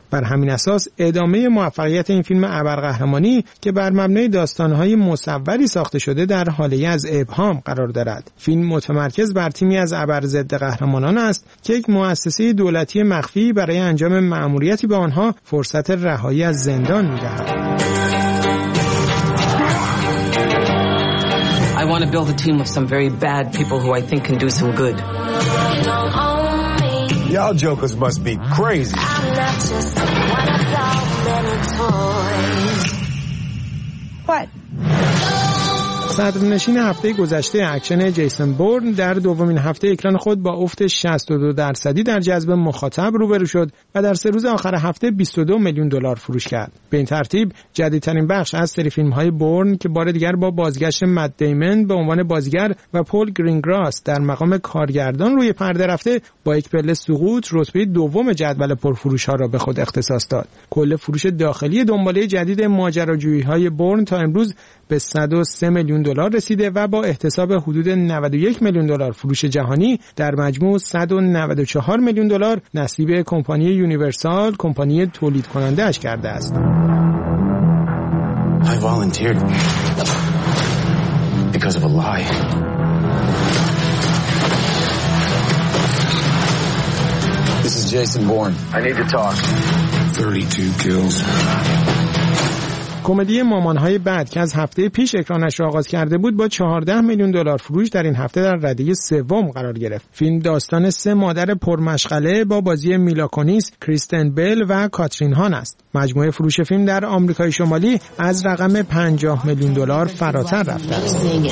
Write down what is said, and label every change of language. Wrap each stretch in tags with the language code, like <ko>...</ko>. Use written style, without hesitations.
<fa>بر همین اساس ادامه موفقیت این فیلم ابرقهرمانی که بر مبنای داستان‌های مصوری ساخته شده در حاله از ابهام قرار دارد. فیلم متمرکز بر تیمی از ابر ضد قهرمانان است که یک مؤسسه دولتی مخفی برای انجام مأموریتی به آنها فرصت رهایی از زندان می‌دهد.</fa> <en>I want to build a team of some very bad people who I think can do some good. Y'all jokers must be crazy. I'm not just one of many toys. What?</en> <fa>صدرنشین هفته گذشته اکشن جیسون بورن در دومین هفته اکران خود با افت 62% در جذب مخاطب روبرو شد و در سه روز آخر هفته 22 میلیون دلار فروش کرد. به این ترتیب جدیدترین بخش از سری فیلم‌های بورن که بار دیگر با بازگشت مت دیمن به عنوان بازیگر و پول گرینگراس در مقام کارگردان روی پرده رفته با یک پله سقوط رتبه دوم جدول پرفروش‌ها را به خود اختصاص داد. کل فروش داخلی دنباله جدید ماجراجویی‌های بورن تا امروز به 103 میلیون دلار رسیده و با احتساب حدود 91 میلیون دلار فروش جهانی در مجموع 194 میلیون دلار نصیب کمپانی یونیورسال کمپانی تولید کننده اش کرده است.</fa> <en>I volunteered because of a lie. This is Jason Bourne. I need to talk. 32 kills.</en> <fa>کمدی مامان‌های بعد که از هفته پیش اکرانش را آغاز کرده بود با 14 میلیون دلار فروش در این هفته در رده سوم قرار گرفت. فیلم داستان سه مادر پرمشغله با بازی میلا کونیس، کریستن بیل و کاترین هان است. مجموعه فروش فیلم در آمریکای شمالی از رقم 50 میلیون دلار فراتر رفته است.</fa>